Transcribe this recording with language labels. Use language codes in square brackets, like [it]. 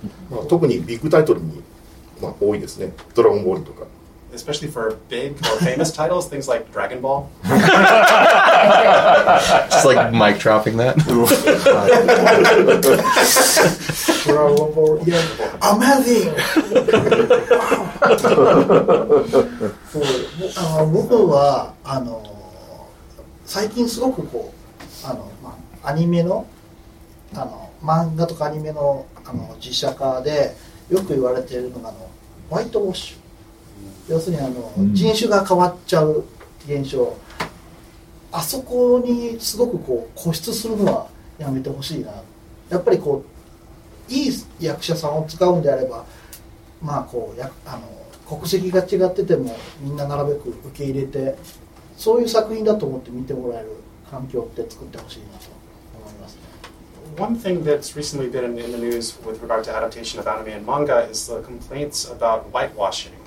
[ja] まあ、特にビッグタイトルに、まあ、多いですね。ドラゴンボールとか。 [en] Especially for big or famous titles, things like Dragon Ball. Just like mic dropping that. Dragon Ball, yeah. Amazing! [ja] 僕は最近すごくこうまあ、アニメの漫画とかアニメ の, 実写化でよく言われているのがホワイトウォッシュ、要するに人種が変わっちゃう現象、あそこにすごくこう固執するのはやめてほしいな。やっぱりこういい役者さんを使うんであれば、まあ、こうや国籍が違っててもみんななるべく受け入れて、そういう作品だと思って見てもらえる環境って作ってほしいなと。 [en] One thing that's recently been in the news with regard to adaptation of anime and manga is the complaints about whitewashing.